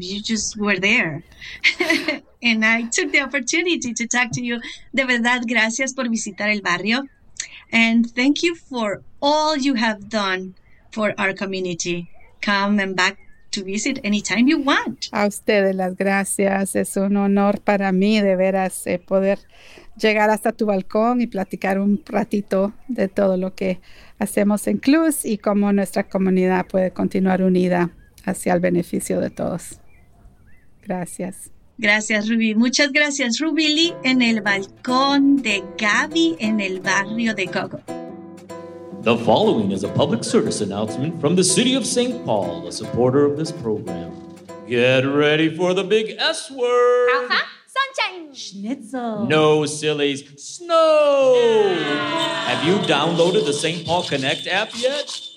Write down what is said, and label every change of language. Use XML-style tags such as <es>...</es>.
<en>You just were there. And I took the opportunity to talk to you.</en> <es>De verdad, gracias por visitar el barrio.</es> <en>And thank you for all you have done for our community. Come and back to visit anytime you want.</en> <es>A ustedes las gracias. Es un honor para mí, de veras, poder llegar hasta tu balcón y platicar un ratito de todo lo que hacemos en Clues y cómo nuestra comunidad puede continuar unida hacia el beneficio de todos. Gracias. Gracias, Ruby. Muchas gracias, Ruby Lee, en el balcón de Gaby en el barrio de Coco.</es> <en>The following is a public service announcement from the City of St. Paul, a supporter of this program. Get ready for the big S word. Alpha, sunshine. Schnitzel. No, sillies. Snow. Yeah. Have you downloaded the St. Paul Connect app yet?</en>